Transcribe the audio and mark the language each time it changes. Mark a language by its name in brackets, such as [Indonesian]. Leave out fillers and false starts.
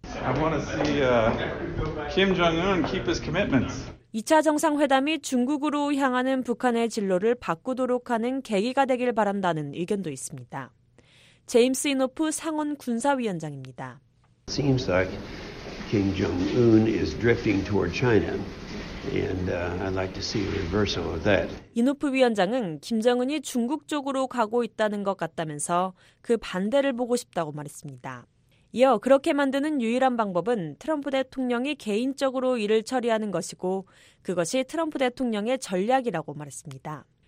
[English] I want to see Kim Jong-un keep his commitments. [Korean] 2차 정상회담이 중국으로 향하는 북한의 진로를 바꾸도록 하는 계기가 되길 바란다는 의견도 있습니다. 제임스 이노프 상원 군사위원장입니다. [English] Seems like Kim Jong-un is drifting toward China. And I'd like to see a reversal of that. [Korean] 이노프 위원장은 김정은이 중국 쪽으로 가고 있다는 것 같다면서 그 반대를 보고 싶다고 말했습니다. 이어 그렇게 만드는 유일한 방법은 트럼프 대통령이 개인적으로 일을 처리하는 것이고 그것이 트럼프 대통령의 전략이라고 말했습니다.